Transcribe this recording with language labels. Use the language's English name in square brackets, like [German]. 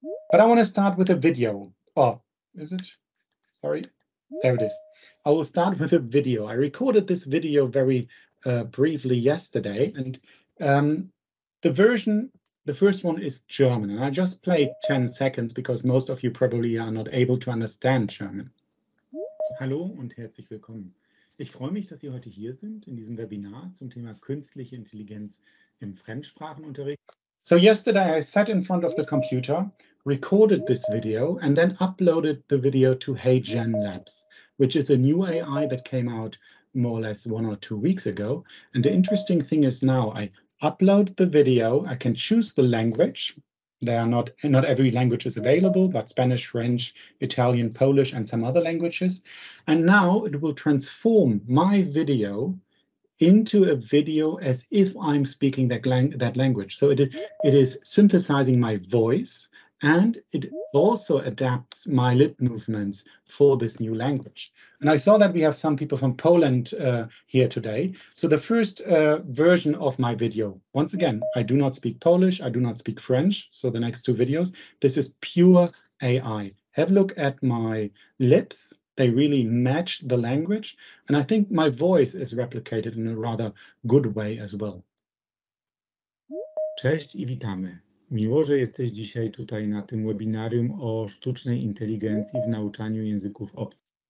[English] But I want to start with a video. Oh, is it? Sorry, there it is. I will start with a video. I recorded this video very briefly yesterday, and the first one is German, and I just played 10 seconds because most of you probably are not able to understand German. [German] Hallo und herzlich willkommen. Ich freue mich, dass Sie heute hier sind in diesem Webinar zum Thema künstliche Intelligenz im Fremdsprachenunterricht. [English] So yesterday I sat in front of the computer, recorded this video and then uploaded the video to HeyGen Labs, which is a new AI that came out more or less 1 or 2 weeks ago. And the interesting thing is now I upload the video, I can choose the language. There are not every language is available, but Spanish, French, Italian, Polish, and some other languages. And now it will transform my video into a video as if I'm speaking that language. So it is synthesizing my voice, and it also adapts my lip movements for this new language. And I saw that we have some people from Poland here today. So the first version of my video, once again, I do not speak Polish, I do not speak French. So the next two videos, this is pure AI. Have a look at my lips. They really match the language. And I think my voice is replicated in a rather good way as well. [Polish] Cześć i witamy. Miło, że jesteś dzisiaj tutaj na tym webinarium o sztucznej inteligencji w nauczaniu języków obcych.